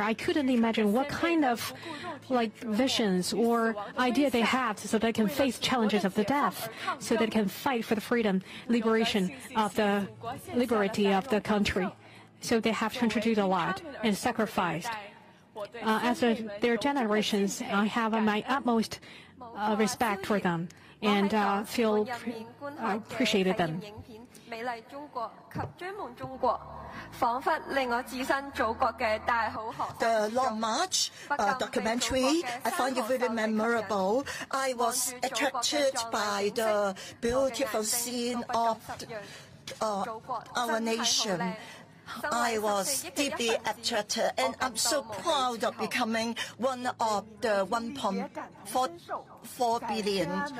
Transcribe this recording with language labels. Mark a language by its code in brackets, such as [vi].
[en] I couldn't imagine what kind of like visions or idea they have so they can face challenges of the death, so they can fight for the freedom, liberation of the liberty of the country. So they have contributed a lot and sacrificed. As a, their generations, I have my utmost respect for them and feel appreciated them. [zh] 美丽中国及追梦中国，仿佛令我置身祖国的大好河。 [en] The Long March documentary, I find it very memorable. I was attracted by the beautiful scene of our nation. I was deeply attracted, and I'm so proud of becoming one of the 1.4 billion.